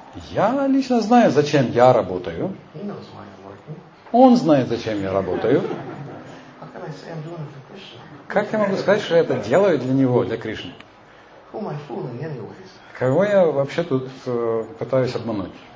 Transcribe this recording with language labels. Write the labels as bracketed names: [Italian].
[Russian] Я лично знаю, зачем я работаю. [English] He knows why I'm working. [Russian] Он знает, зачем я работаю. [English] How can I say I'm doing it for Krishna? [Russian] Как я могу сказать, что я это делаю для него, для Кришны? [English] Who am I fooling anyways? [Russian] Кого я вообще тут пытаюсь обмануть?